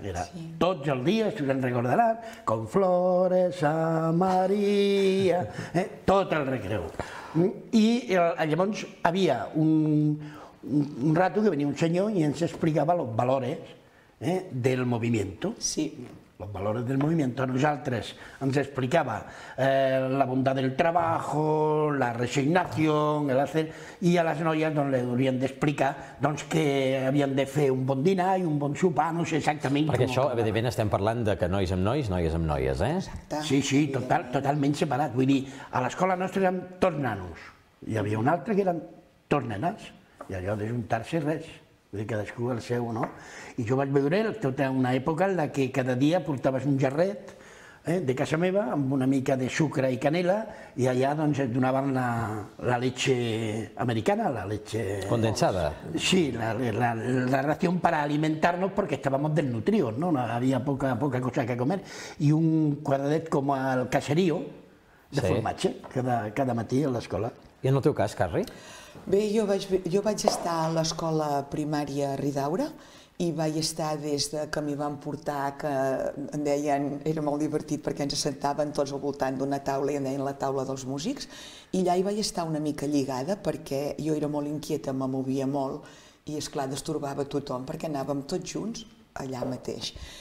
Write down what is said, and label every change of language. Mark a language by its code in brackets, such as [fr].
[ca] Era tots els dies, si us en recordaran, com Flores a Maria, tot el recreu. I llavors hi havia un rato que venia un senyor i ens explicava els valors del moviment. Sí. [es] los valores del movimiento. A nosotros nos explicaba la bondad del trabajo, la resignación, el hacer, y a las noies no le habían de explicar doncs, que habían de [ca] fer un bon dinar [es] y [ca] un bon sopar, [es] no sé exactamente. Porque [ca] això, evidentment, estem parlant de que nois amb nois, noies amb noies, eh? Exacte. Sí, sí, totalment separat. Vull dir, a l'escola nostra érem tots nanos, hi havia un altre que eren tots nenes, i allò de juntar-se res. De cadascú el seu, no? I jo vaig veure tota una època en la que cada dia portaves un jarret de casa meva amb una mica de sucre i canela i allà doncs, et donaven [es] la leche americana, la leche... [ca] Condensada. [es] Sí, la ración para alimentarnos porque estábamos desnutridos, no? [ca] Havia poca cosa que comer. I un quadradet com el caserío de formatge cada matí a l'escola. I en el teu cas, Carri? Bé, jo vaig estar a l'escola primària Ridaura i vaig estar des de que m'hi van portar, que em deien, era molt divertit perquè ens assentaven tots al voltant d'una taula i em deien la taula dels músics, i allà hi vaig estar una mica lligada perquè jo era molt inquieta, me movia molt i esclar, destorbava tothom perquè anàvem tots junts allà mateix.